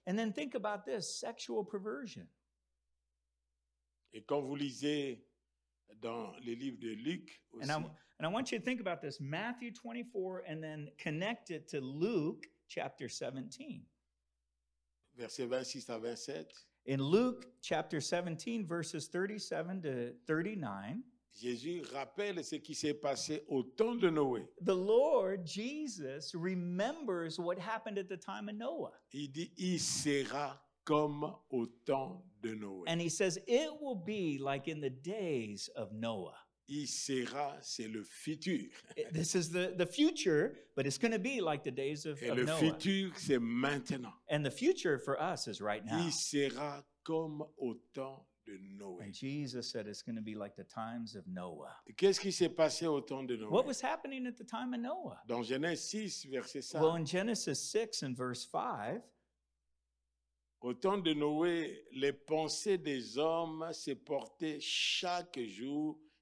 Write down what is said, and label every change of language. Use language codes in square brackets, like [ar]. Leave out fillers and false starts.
[en] And then think about this, sexual perversion. [fr] Et quand vous lisez dans les livres de Luc aussi. [en] And I want you to think about this, Matthew 24, and then connect it to Luke chapter 17. [fr] Verset 26 à 27. [en] In Luke chapter 17, verses 37 to 39. [fr] Jésus rappelle ce qui s'est passé au temps de Noé. [en] The Lord Jesus remembers what happened at the time of Noah. [fr] Il dit, il sera comme au temps de Noé. [en] And he says, it will be like in the days of Noah. [fr] Il sera, c'est le futur. [en] This is the future, but it's going to be like the days of Noah. [fr] Et le futur, c'est maintenant. [en] And the future for us is right now. [fr] Il sera comme au temps de Noé. [en] And Jesus said it's going to be like the times of Noah. [fr] Qu'est-ce qui s'est passé au temps de Noé? [en] What was happening at the time of Noah? [fr] Dans Genèse 6, verset 5. [en] Well, in Genesis 6 and verse 5. [fr] Au temps de Noé, les pensées des hommes se portaient chaque jour.